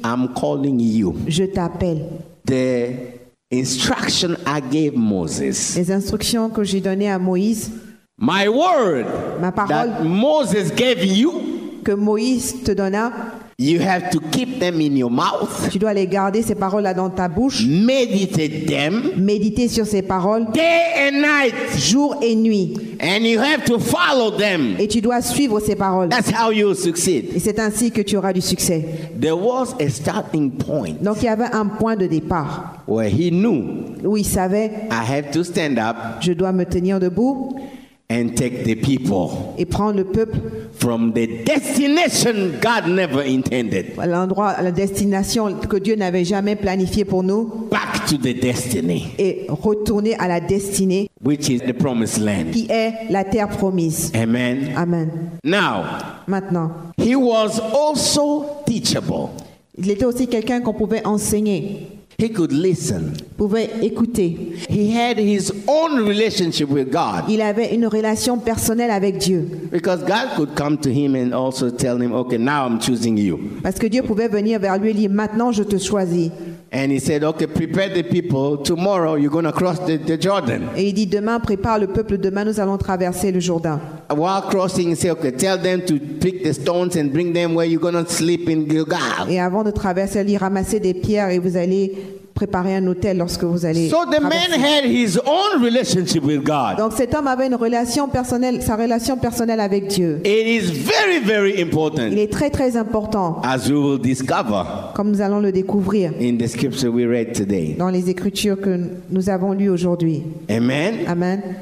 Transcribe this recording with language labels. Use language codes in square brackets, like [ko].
[en] I'm calling you. [fr] Je t'appelle. [en] The instruction I gave Moses. [fr] Les instructions que j'ai données à Moïse. [en] My word. [fr] Ma parole. [en] That Moses gave you. [fr] Que Moïse te donna. [en] You have to keep them in your mouth. [fr] Tu dois les garder ces paroles-là dans ta bouche. [en] Meditate them. [fr] Méditer sur ces paroles. [en] Day and night. [fr] Jour et nuit. [en] And you have to follow them. [fr] Et tu dois suivre ces paroles. [en] That's how you succeed. [fr] Et c'est ainsi que tu auras du succès. [en] There was a starting point. [fr] Donc il y avait un point de départ. [en] Where he knew. [fr] Où il savait. [en] I have to stand up. [fr] Je dois me tenir debout. [en] And take the people. [fr] Et prendre le peuple. [en] From the destination God never intended. [fr] À l'endroit, à la destination que Dieu n'avait jamais planifié pour nous. [en] Back to the destiny. [fr] Et retourner à la destinée. [en] Which is the promised land. [fr] Qui est la terre promise. [en] Amen. [fr] Amen. [en] Now. [fr] Maintenant. [en] He was also teachable. [fr] Il était aussi quelqu'un qu'on pouvait enseigner. [en] He could listen. [fr] Pouvait écouter. [en] He had his own relationship with God. [fr] Il avait une relation personnelle avec Dieu. [en] Because God could come to him and also tell him, "Okay, now I'm choosing you." [fr] Parce que Dieu pouvait venir vers lui et dire, "Maintenant, je te choisis." [en] And he said, "Okay, prepare the people. Tomorrow, you're going to cross the Jordan." [fr] Et il dit, "Demain, prépare le peuple. Demain, nous allons traverser le Jourdain." [en] While crossing, he said, "Okay, tell them to pick the stones and bring them where you're going to sleep in Gilgal." [fr] Et avant de traverser, il dit, "Ramassez des pierres et vous allez préparer un hôtel lorsque vous allez." [en] So the man had his own relationship with God. [fr] Donc cet homme avait une relation personnelle, sa relation personnelle avec Dieu. [en] It is very, very important. [fr] Il est très, très important. [en] As we will discover. [fr] Comme nous allons le découvrir. [en] In the scripture we read today. [fr] Dans les écritures que nous avons lues aujourd'hui. [en] Amen. [fr] Amen.